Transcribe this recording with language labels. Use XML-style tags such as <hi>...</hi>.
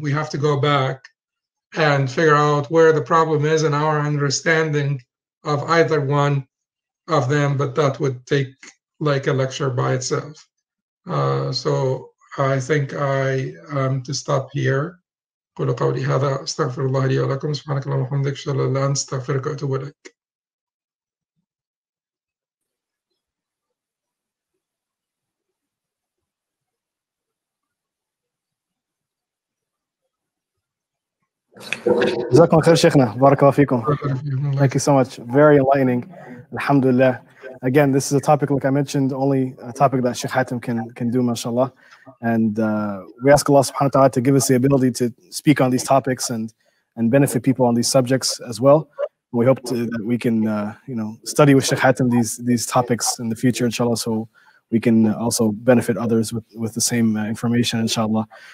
<en>We have to go back and figure out where the problem is in our understanding of either one of them, but that would take like a lecture by itself. So I think I am to stop here.</en> <ar>قل قولي هذا استغفر الله لي ولكم سبحانك اللهم وبحمدك اشهد ان لا اله الا انت استغفرك واتوب اليك. جزاكم خير شيخنا بارك الله فيكم.</ar> <en>Thank you so much. Very enlightening. Alhamdulillah. Again, this is a topic, like I mentioned, only a topic that Sheikh Hatem can do, mashallah. And we ask Allah subhanahu wa ta'ala to give us the ability to speak on these topics and benefit people on these subjects as well. We hope that we can study with Sheikh Hatem these topics in the future, inshallah, so we can also benefit others with the same information, inshallah.</en>